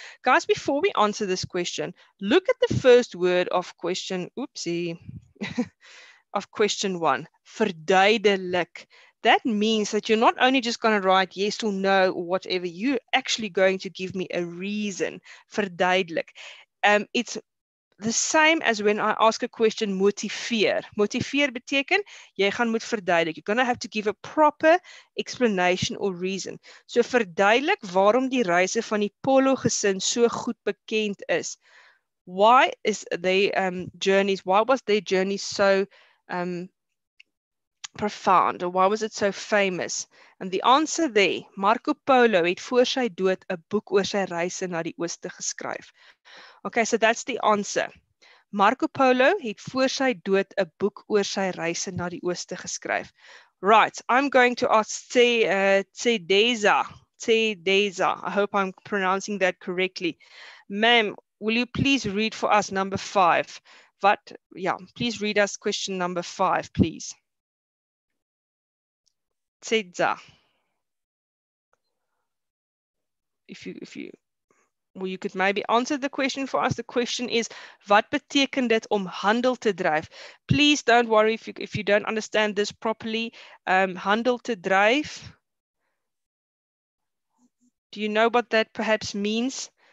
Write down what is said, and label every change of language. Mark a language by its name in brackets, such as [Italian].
[English] Guys, before we answer this question, look at the first word of question, oopsie, of question one. Verduidelik. That means that you're not only just going to write yes or no or whatever, you're actually going to give me a reason. Verduidelik. It's the same as when I ask a question, motiveer. [Afrikaans] Motiveer beteken, jy gaan moet verduidelik. [English] You're going to have to give a proper explanation or reason. [Afrikaans] So verduidelik waarom die reise van die Polo gesin so goed bekend is. [English] Why is their journeys, why was their journey so profound, or why was it so famous? And the answer there, [Afrikaans] Marco Polo het voor sy dood 'n boek oor sy reise na die ooste geskryf. [English] Okay, so that's the answer. [Afrikaans] Marco Polo het voor sy dood 'n boek oor sy reise na die ooste geskryf. [English] Right, I'm going to ask Tedeza. I hope I'm pronouncing that correctly. Ma'am, will you please read for us number 5? But yeah, please read us question number 5, please. Tedza, you could maybe answer the question for us. The question is, [Afrikaans] wat beteken dit om handel te drijf? [English] Please don't worry if you don't understand this properly. [Afrikaans] Handel te drijf. [English] Do you know what that perhaps means?